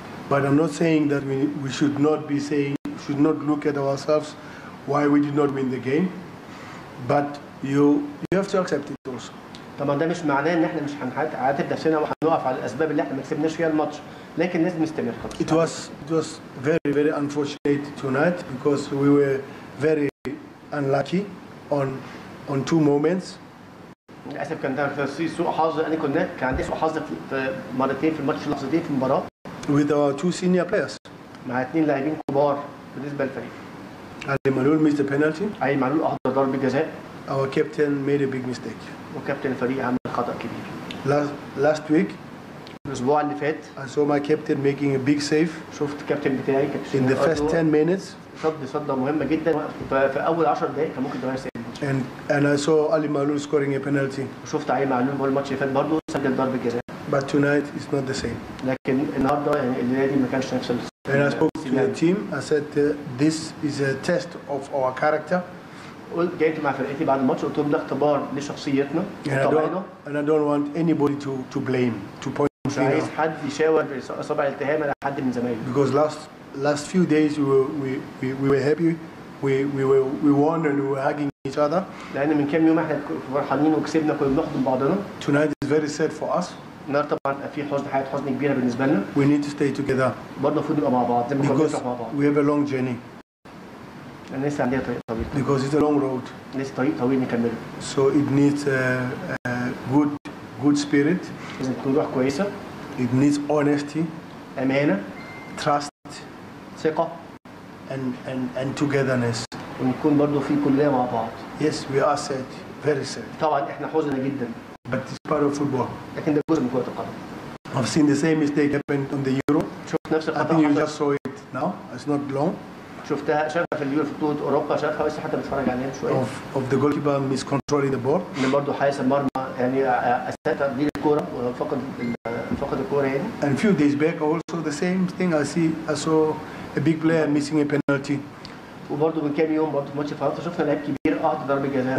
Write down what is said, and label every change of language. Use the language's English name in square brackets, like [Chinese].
[English] But I'm not saying that we should not be saying, should not look at ourselves why we did not win the game. But you have to accept it also. [Arabic] طبعا ده مش معناه ان احنا مش هنعاتب نفسنا وهنوقف على الاسباب اللي احنا ما كسبناش فيها الماتش، لكن لازم نستمر خالص. [English] It was very very unfortunate tonight because we were very unlucky on two moments. [Arabic] للاسف كان ده سوء حظ انا كنت كان عندي سوء حظ في مرتين في الماتش لحظتين في المباراه. [English] With our two senior players. [Arabic] مع اثنين لاعبين كبار بالنسبه للفريق. [English] علي معلول missed the penalty. [Arabic] علي معلول اهدر ضربه جزاء. [English] Our captain made a big mistake. [Arabic] وكابتن الفريق عمل خطا كبير. [English] Last week. [Arabic] الاسبوع اللي فات. [English] I saw my captain making a big save. [Arabic] شفت الكابتن بتاعي [English] in the first 10 minutes. [Arabic] صده مهمه جدا في اول 10 دقائق كان ممكن تغير سيناريو. [English] And I saw Ali Maloul scoring a penalty. [Arabic] وشفت علي معلول في الماتش اللي فات برضه سجل ضربه جزاء. [English] But tonight it's not the same. [Arabic] لكن النهارده يعني النادي ما كانش نفس. [English] And I spoke to the team. I said this is a test of our character. [Arabic] جيت مع فرقتي بعد الماتش قلت لهم ده اختبار لشخصيتنا. [English] And I don't want anybody to blame, to point fingers. [Arabic] مش عايز حد يشاور بأصابع الاتهام على حد من زمايله. [English] Because last few days we were happy. We won and we were hugging each other. [Arabic] لأن من كام يوم احنا فرحانين وكسبنا كنا بنخدم بعضنا. [English] Tonight is very sad for us. [Arabic] النهار طبعا في حزن حياه حزن كبيره بالنسبه لنا. [English] We need to stay together. [Arabic] برضه المفروض نبقى مع بعض زي ما كنا بنروح مع بعض. [English] We have a long journey. [Arabic] لان لسه عندنا طريق طويل. [English] Because it's a long road. [Arabic] لسه طريق طويل نكمله. [English] So it needs a good spirit. [Arabic] لازم تكون روح كويسه. [English] It needs honesty. [Arabic] امانه. [English] Trust. [Arabic] ثقه. [English] And togetherness. [Arabic] ونكون برضه في كلنا مع بعض. [English] Yes, we are sad. Very sad. [Arabic] طبعا احنا حزنة جدا. [English] But it's part of football. [Arabic] لكن ده جزء من كرة القدم. [English] I've seen the same mistake happened on the Euro. [Arabic] شفت نفس الخطأ. [English] I think you just saw it now. It's not long. [Arabic] شفتها شافها في اليورو في بطولة أوروبا شافها لسه حتى بتفرج عليها شوية. [English] Of the goalkeeper miscontrolling the ball. [Arabic] إن برضه حارس المرمى يعني أساء تقدير الكورة وفقد الكورة يعني. [English] And a few days back also the same thing I saw a big player missing a penalty. [Arabic] وبرضه من كام يوم برضه في ماتش فرنسا شفنا لعيب كبير قعد ضرب جزاء